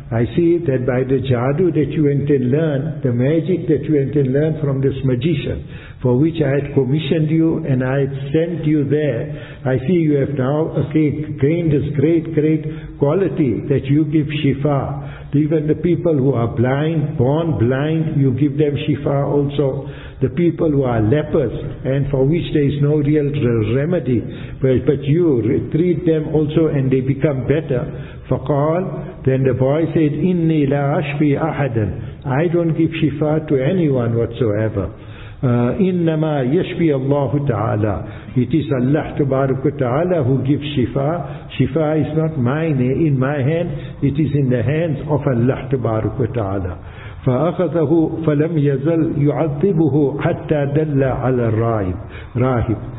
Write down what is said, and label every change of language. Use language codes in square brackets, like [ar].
[en] I see that by the jadu that you went and learned, the magic that you went and learned from this magician, for which I had commissioned you and I had sent you there, I see you have now gained this great, great quality that you give shifa. Even the people who are blind, born blind, you give them shifa also. The people who are lepers and for which there is no real remedy, but you treat them also and they become better. [ar] فقال, [en] then the boy said, [ar] إِنِّي لَا أَشْفِي أَحَدًا. [en] I don't give shifa to anyone whatsoever. [ar] إِنَّمَا يَشْفِي اللَّهُ تَعَالَى. [en] It is Allah Tabaraka Ta'ala who gives shifa. Shifa is not mine, in my hand, it is in the hands of Allah Tabaraka Ta'ala. [ar] فَأَخَذَهُ فَلَمْ يَزَلْ يُعَذِّبُهُ حَتَّى دَلَّ عَلَى الرَّاهِبِ.